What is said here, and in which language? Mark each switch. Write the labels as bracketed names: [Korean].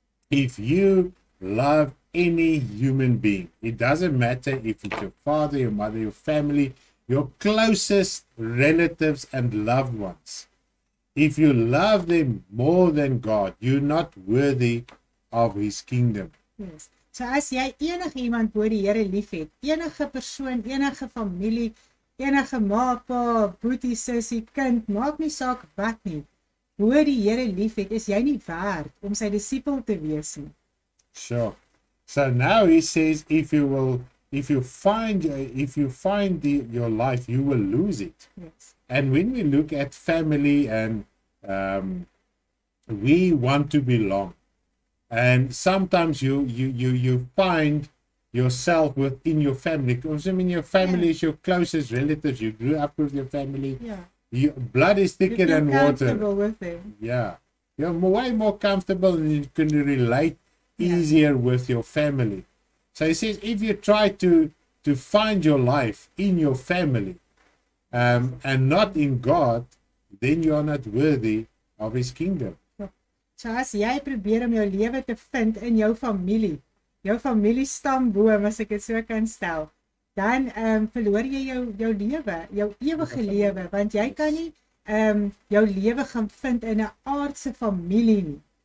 [English] If you love any human being, it doesn't matter if it's your father, your mother, your family, your closest relatives and loved ones. If you love them more than God, you're not worthy of his kingdom. Yes. [Afrikaans] So as jy enige iemand bo die Here lief het, enige persoon, enige familie, enige ma, pa, boetie, sussie, kind, maak nie saak wat nie, bo die Here lief het, is jy nie waard om sy disipel te wees nie. [English] Sure. So now he says, if you find your life, you will lose it. Yes. And when we look at family and we want to belong, and sometimes you find yourself within your family, because I mean your family, yeah, is your closest relatives, you grew up with your family, yeah, your blood is thicker than water, comfortable with them. Yeah, you're way more comfortable and you can relate easier, yeah, with your family. So he says, if you try to find your life in your family and not in God, then you are not worthy of his kingdom. [Afrikaans] So as jy probeer om jou lewe te vind in jou familie stamboom, as ek het so kan stel, dan verloor jy jou lewe, jou ewige lewe, want jy kan nie jou lewe gaan vind in 'n aardse familie nie.